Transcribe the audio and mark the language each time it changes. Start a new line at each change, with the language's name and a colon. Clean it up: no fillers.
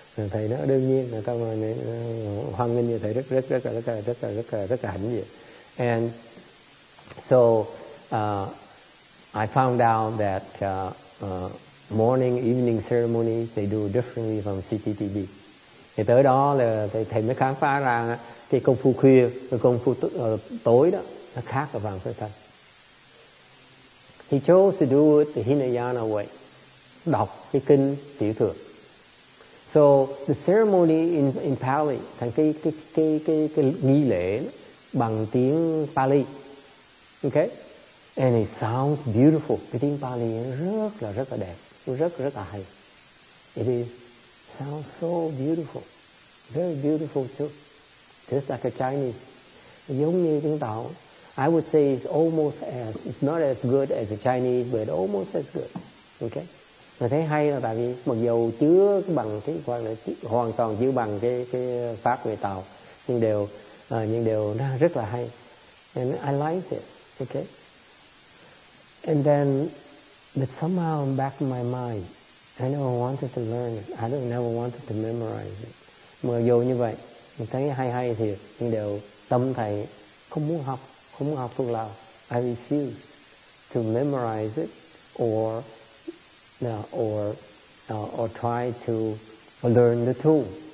Vietnamese: Thầy nói đương nhiên là tao mà hoan nghênh như thầy rất là hạnh diện.
English: And so I found out that morning, evening ceremonies they do differently from CTTB.
Vietnamese: Thì tới đó là thầy mới khám phá ra cái công phu khuya, cái công phu tối đó nó khác ở Vàng Phật Thân.
English: He chose to do it the Hinayana way,
Vietnamese: đọc cái kinh tiểu thừa.
English: So the ceremony in Pali,
Vietnamese: thành cái nghi lễ bằng tiếng Pali. Okay?
English: And it sounds beautiful.
Vietnamese: Cái tiếng Pali rất là đẹp, rất là hay.
English: It is sounds so beautiful. Very beautiful too. Just like a Chinese.
Vietnamese: Giống như tiếng Tàu.
English: I would say it's not as good as a Chinese, but almost as good. Okay?
Vietnamese: Mà thấy hay là tại vì mặc dù chưa bằng hoàn toàn chưa bằng cái pháp người Tàu, nhưng đều nó rất là hay.
English: And I like it. Okay? And then, but somehow in the back of my mind, I never wanted to learn it. I never wanted to memorize it.
Vietnamese: Mặc dù như vậy, mình thấy hay thiệt, nhưng đều tâm thầy không muốn học phương Lào.
English: I refuse to memorize it or try to learn the tool.